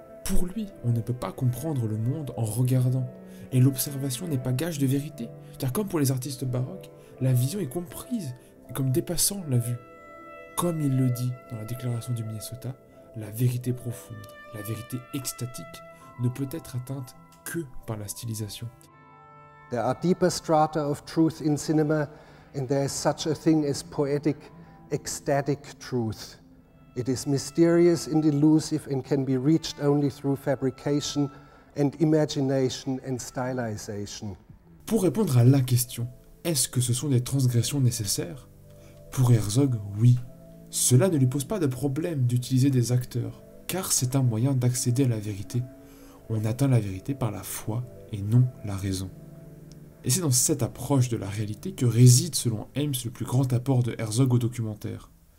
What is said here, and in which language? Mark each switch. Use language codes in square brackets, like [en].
[fr] Pour lui, on ne peut pas comprendre le monde en regardant. Et l'observation n'est pas gage de vérité, car comme pour les artistes baroques, la vision est comprise comme dépassant la vue. Comme il le dit dans la déclaration du Minnesota, la vérité profonde, la vérité extatique, ne peut être atteinte que par la stylisation. [en] There are deeper strata of truth in cinema, and there is such a thing as poetic, ecstatic truth. It is mysterious and elusive and can be reached only through fabrication, and imagination and stylization. [fr] Pour répondre à la question, est-ce que ce sont des transgressions nécessaires? Pour Herzog, oui. Cela ne lui pose pas de problème d'utiliser des acteurs, car c'est un moyen d'accéder à la vérité. On atteint la vérité par la foi et non la raison. Et c'est dans cette approche de la réalité que réside, selon Ames, le plus grand apport de Herzog au documentaire.